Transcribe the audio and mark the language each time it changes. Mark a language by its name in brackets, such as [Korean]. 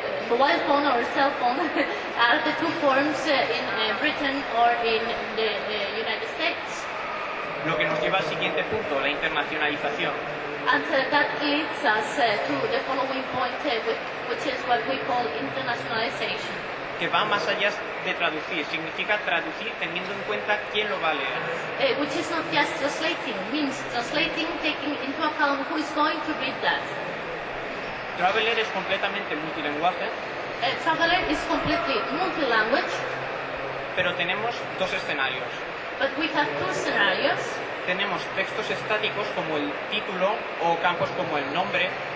[English] Mobile phone or cell phone are the two forms in Britain or in the United States. [Spanish] Lo que nos lleva al siguiente punto, la internacionalización. [English] And that leads us to the following point, which is what we call internationalization. [Spanish] Que va más allá de traducir, significa traducir teniendo en cuenta quién lo va a leer. [English] Which is not just translating, means translating, taking into account who is going to read that. [Spanish] Traveler es completamente multilingüe. [English] Traveler is completely multilanguage. [Spanish] Pero tenemos dos escenarios. [English] But we have two scenarios. [Spanish] Tenemos textos estáticos como el título o campos como el nombre.